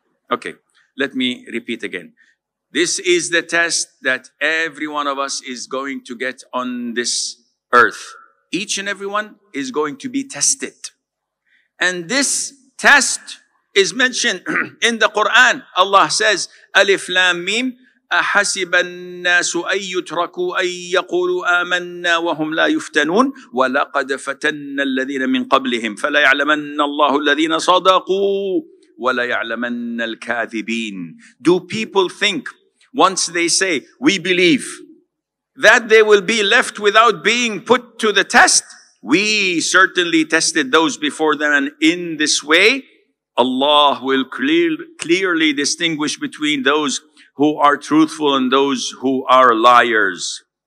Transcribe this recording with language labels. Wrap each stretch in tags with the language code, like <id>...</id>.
<en>Okay, let me repeat again. This is the test that every one of us is going to get on this earth. Each and everyone is going to be tested. And this test is mentioned in the Quran. Allah says,</en> <ar>Alif Lam Mim, أحسب الناس أن يتركوا أن يقولوا آمنا وهم لا يفتنون ولقد فتن الذين من قبلهم فلا يعلمن الله الذين صدقوا ولا يعلمن الكاذبين.</ar> <en>Do people think once they say we believe that they will be left without being put to the test? We certainly tested those before them, and in this way Allah will clearly distinguish between those who are truthful and those who are liars.</en>